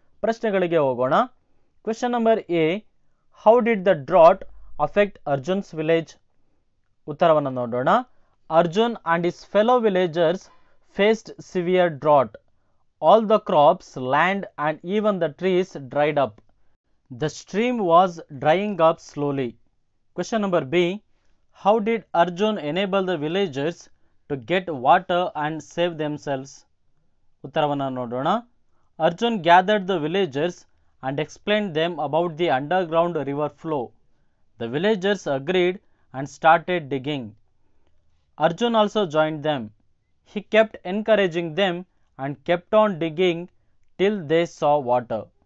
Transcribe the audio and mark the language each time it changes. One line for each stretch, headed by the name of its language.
Kannada: ಪ್ರಶ್ನೆಗಳಿಗೆ ಹೋಗೋಣ.
English: Question number A. How did the drought affect Arjun's village?
Kannada: ಉತ್ತರವನ್ನು ನೋಡೋಣ.
English: Arjun and his fellow villagers faced severe drought. All the crops, land and even the trees dried up. The stream was drying up slowly. Question number B. How did Arjun enable the villagers to get water and save themselves?
Kannada: ಉತ್ತರವನ್ನು ನೋಡೋಣ.
English: Arjun gathered the villagers and explained them about the underground river flow. The villagers agreed and started digging. Arjun also joined them. He kept encouraging them and kept on digging till they saw water.